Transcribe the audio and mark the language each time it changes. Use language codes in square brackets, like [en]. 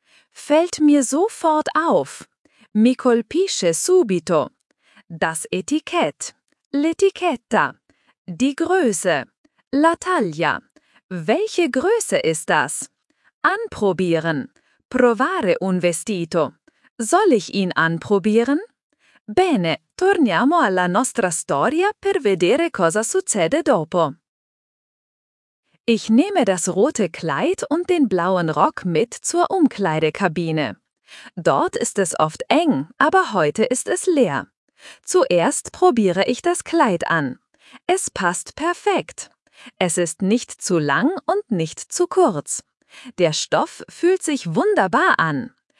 [de] Fällt mir sofort auf. [it] Mi colpisce subito. [de] Das Etikett. [it] L'etichetta. [de] Die Größe. [it] La taglia. [de] Welche Größe ist das? Anprobieren. [it] Provare un vestito. [de] Soll ich ihn anprobieren? [it] Bene, torniamo alla nostra storia per vedere cosa succede dopo. [de] Ich nehme das rote Kleid und den blauen Rock mit zur Umkleidekabine. Dort ist es oft eng, aber heute ist es leer. Zuerst probiere ich das Kleid an. Es passt perfekt. Es ist nicht zu lang und nicht zu kurz. Der Stoff fühlt sich wunderbar an.